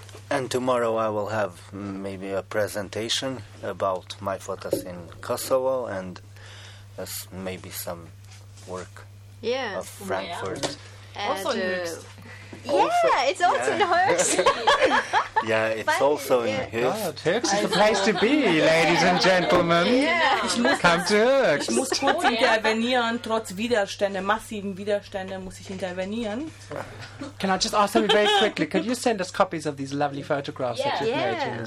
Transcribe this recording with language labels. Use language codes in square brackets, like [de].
[en] And tomorrow I will have maybe a presentation about my photos in Kosovo and maybe some work of Frankfurt. Also in Höchst. Yeah, it's also in Höchst. Höchst is the place to be, ladies and gentlemen. Come to Höchst. [de] Ich muss kurz intervenieren, trotz Widerstände, massiven Widerstände muss ich intervenieren. [en] Can I just ask you very quickly, could you send us copies of these lovely photographs that you've made?